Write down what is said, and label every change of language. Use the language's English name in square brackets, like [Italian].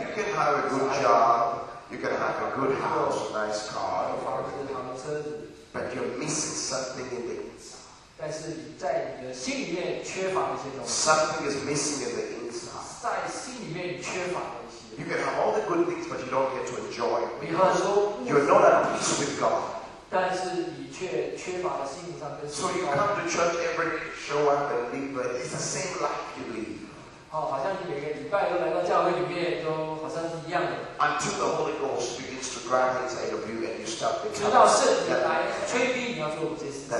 [English] you can have a good job, you can have a good house, a nice car, [Chinese] 有房子, [English] but you're missing something in the inside. [Chinese] 但是你在你的心里面缺乏一些东西。 [English] Something is missing in the inside. [Chinese] 在心里面缺乏东西。 [English] You can have all the good things, but you don't get to enjoy. [Chinese] 比方说, [English] you're not at peace with God. [Chinese] 但是你却缺乏了心灵上跟神。 [English] So you come to church every day, show up and leave, but it's the same life you lead. [Chinese] 好像你每个礼拜都来到教会里面，都好像是一样的。 [English] Until the Holy Ghost begins to grab inside of you and you start becoming. [Chinese] 直到圣灵来催逼你要做这些事。